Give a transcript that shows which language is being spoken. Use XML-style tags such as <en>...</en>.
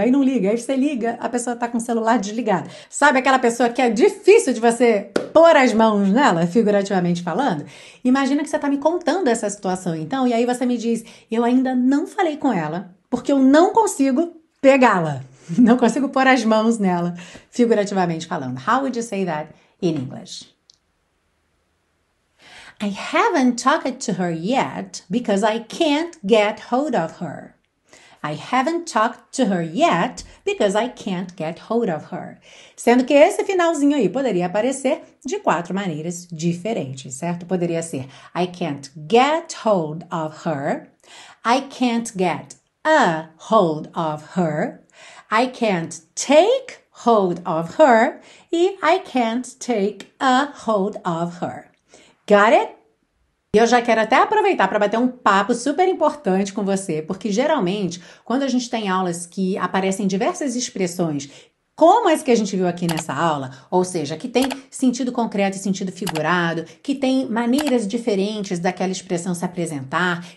<pt>Aí não liga, aí você liga, a pessoa tá com o celular desligado. Sabe aquela pessoa que é difícil de você pôr as mãos nela, figurativamente falando? Imagina que você tá me contando essa situação então, e aí você me diz, eu ainda não falei com ela, porque eu não consigo pegá-la. Não consigo pôr as mãos nela, figurativamente falando.</pt> <en>How would you say that in English? I haven't talked to her yet because I can't get hold of her. I haven't talked to her yet because I can't get hold of her.</en> <pt>Sendo que esse finalzinho aí poderia aparecer de quatro maneiras diferentes, certo? Poderia ser</pt> <en>I can't get hold of her. I can't get a hold of her. I can't take hold of her e I can't take a hold of her. Got it?</en> <pt>E eu já quero até aproveitar para bater um papo super importante com você, porque geralmente, quando a gente tem aulas que aparecem diversas expressões, como as que a gente viu aqui nessa aula, ou seja, que tem sentido concreto e sentido figurado, que tem maneiras diferentes daquela expressão se apresentar.</pt>